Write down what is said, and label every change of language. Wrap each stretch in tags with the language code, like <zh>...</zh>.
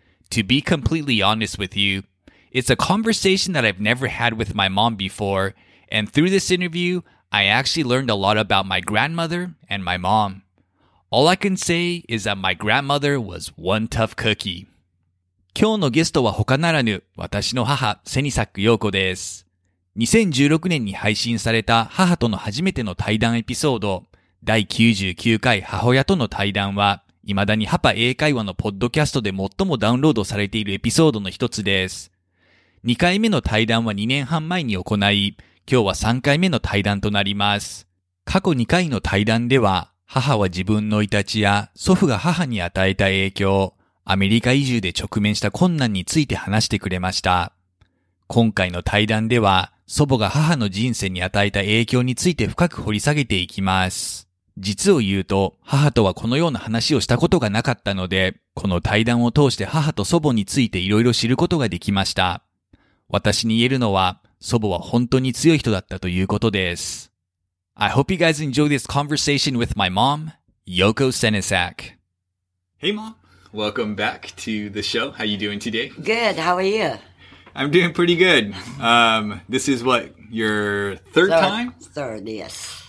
<en>To be completely honest with you, it's a conversation that I've never had with my mom before, and through this interview, I actually learned a lot about my grandmother and my mom. All I can say is that my grandmother was one tough cookie.</en> <ja>今日のゲストは他ならぬ私の母、セニサック陽子です。 2016年に配信された母との初めての対談エピソード、第99回母親との対談は、未だにハパ英会話のポッドキャストで最もダウンロードされているエピソードの一つです。 2回目の対談は2年半前に行い、今日は3回目の対談となります。過去2回の対談では、母は自分の生い立ちや祖父が母に与えた影響、アメリカ移住で直面した困難について話してくれました。今回の対談では、祖母が母の人生に与えた影響について深く掘り下げていきます。実を言うと、母とはこのような話をしたことがなかったので、この対談を通して母と祖母についていろいろ知ることができました。私に言えるのは、祖母は本当に強い人だったということです。</ja> <en>I hope you guys enjoy this conversation with my mom, Yoko Senesak. Hey mom! Welcome back to the show. How are you doing today? Good. How are you? I'm doing pretty good. This is what, your third time? Third, yes.</en>